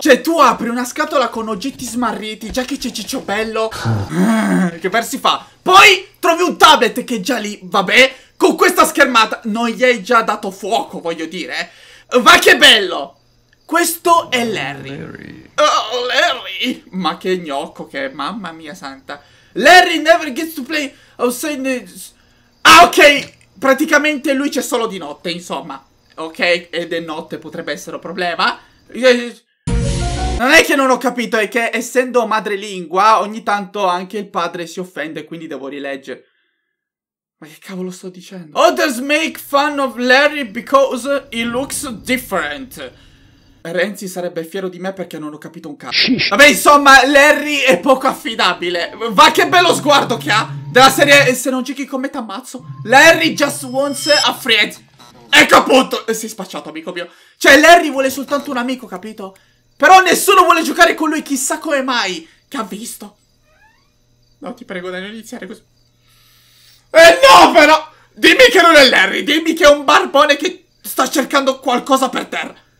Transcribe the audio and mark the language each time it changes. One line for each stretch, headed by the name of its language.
Italian: Cioè, tu apri una scatola con oggetti smarriti, già che c'è Ciccio Bello. Che per si fa. Poi trovi un tablet che è già lì, vabbè. Con questa schermata non gli hai già dato fuoco, voglio dire. Va che bello. Questo è Larry. Oh, Larry. Ma che gnocco che è, mamma mia santa.
English: Larry never gets to play outside the...
Italian: Ah, ok, praticamente lui c'è solo di notte, insomma. Ok, ed è notte, potrebbe essere un problema. Non è che non ho capito, è che essendo madrelingua, ogni tanto anche il padre si offende, quindi devo rileggere. Ma che cavolo sto dicendo?
English: Others make fun of Larry because he looks different.
Italian: Renzi sarebbe fiero di me perché non ho capito un cazzo. Vabbè, insomma, Larry è poco affidabile. Va che bello sguardo che ha. Della serie, se non giochi con me t'ammazzo.
English: Larry just wants a friend.
Italian: Ecco appunto. Si è spacciato, amico mio. Cioè, Larry vuole soltanto un amico, capito? Però nessuno vuole giocare con lui, chissà come mai. Che ha visto? No, ti prego, dai, non iniziare così. No, però! Dimmi che non è Larry, dimmi che è un barbone che sta cercando qualcosa per terra.